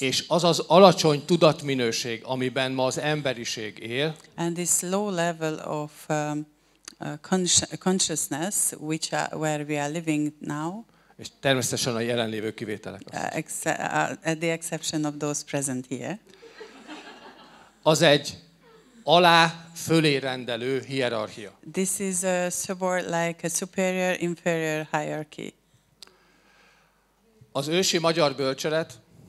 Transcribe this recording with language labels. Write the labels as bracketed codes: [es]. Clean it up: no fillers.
[hu] És az az alacsony tudatminőség, amiben ma az emberiség él. [en] And this low level of consciousness, which are, where we are living now. [hu] És természetesen a jelenlévő kivételek. [en] At the exception of those present here. [hu] Az egy alá fölé rendelő hierarchia. [en] This is a support like a superior inferior hierarchy. [hu] Az ősi magyar bölcselet.